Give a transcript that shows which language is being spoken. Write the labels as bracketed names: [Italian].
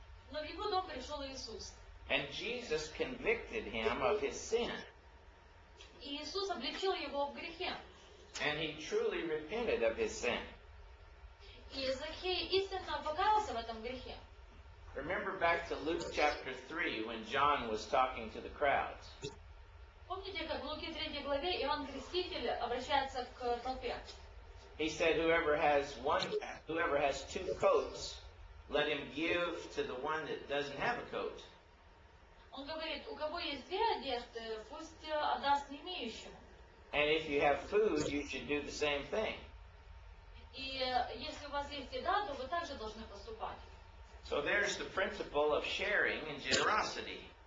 [Russian] Но в его дом пришел Иисус. [English] And Jesus convicted him of his sin. [Russian] И Иисус обличил его в грехе. [English] And he truly repented of his sin. [Russian] И Закхей истинно покаялся в этом грехе. [English] Remember back to Luke chapter 3 when John was talking to the crowds. [Russian] Помните, как в Луки 3 главе Иоанн Креститель обращается к толпе? [English] He said, whoever has two coats, let him give to the one that doesn't have a coat. [Russian] Он говорит, у кого есть две одежды, пусть отдаст не имеющему. [English] And if you have food, you should do the same thing. [Russian] И если у вас есть еда, то вы также должны поступать. [English] So there's the principle of sharing and generosity.